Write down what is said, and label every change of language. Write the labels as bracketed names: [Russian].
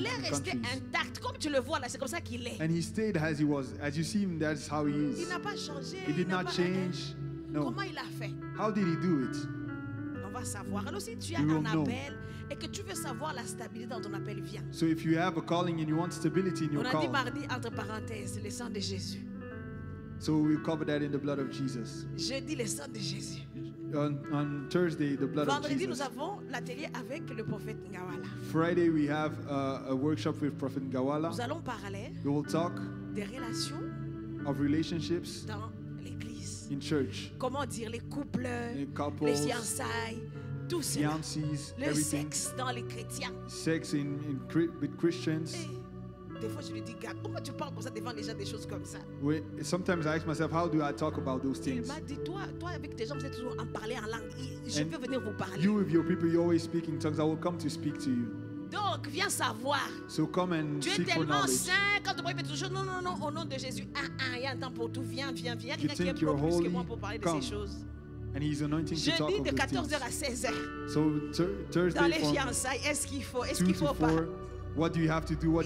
[French] Mais il est resté intact, comme tu le vois là, c'est comme ça qu'il est. [English] And he stayed as he was, as you see him, that's how he is. [French] Il n'a pas changé. [English] He did not change. No. [French] Comment il a fait? [English] How did he do it? [French] On va savoir. Alors si tu as un appel. Et que tu veux savoir la stabilité dans ton appel, viens. [English] So if you have a calling and you want stability in your call. [French] On a dit mardi entre parenthèses le sang de Jésus. [English] So we cover that in the blood of Jesus. [French] Jeudi le sang de Jésus. [English] On Thursday the blood [French] Vendredi, [English] of Jesus. [French] Vendredi nous avons l'atelier avec le prophète Ngawala. [English] Friday we have a workshop with Prophet Ngawala. [French] Nous allons parler. [English] We will talk. [French] Des relations. [English] Of relationships. [French] Dans l'église. [English] In church. [French] Comment dire les couples. [English] The couples. [French] Les fiançailles. Tout cela. [English] Fiancés, [French] le sexe dans les chrétiens. [English] Sex in with Christians. [French] Et des fois je lui dis, Gab, pourquoi tu parles comme ça devant les gens des choses comme ça? Oui, [English] sometimes I ask myself, how do I talk about those things? [French] Il m'a dit, toi avec tes gens, vous êtes toujours en parler en langue. Je veux venir vous parler. [English] You with your people, you always speak in tongues. I will come to speak to you. [French] Donc viens savoir. [English] So come and [French] tu es tellement saint quand tu prends toujours. Non, au nom de Jésus. Ah, il y a un temps pour tout. Viens. [English] You [French] il y a quelqu'un qui est plus que moi pour parler [English] come. [French] De ces choses. [English] And he's anointing [French] jeudi [English] to talk [French] de 14h à 16h. [English] So Thursday [French] dans les fiançailles, est-ce qu'il faut, est-ce qu'il faut pas? [English] Four, what do you have to do? What